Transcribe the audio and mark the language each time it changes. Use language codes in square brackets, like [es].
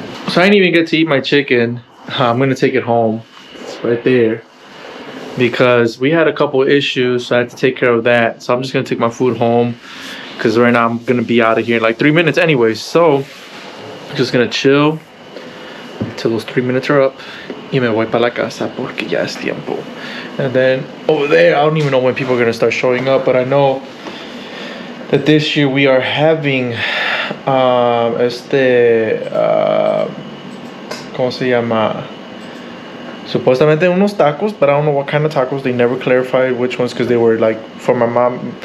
[en] So I didn't even get to eat my chicken. I'm gonna take it home. Right there, because we had a couple issues, so I had to take care of that. So I'm just gonna take my food home, because right now I'm gonna be out of here in like 3 minutes anyway. So I'm just gonna chill until those 3 minutes are up. [es] Y me voy para la casa porque ya es tiempo. [en] And then over there, I don't even know when people are gonna start showing up, but I know that this year we are having [es] ¿cómo se llama? Supuestamente unos tacos, [en] but I don't know what kind of tacos. They never clarified which ones because they were like for my mom.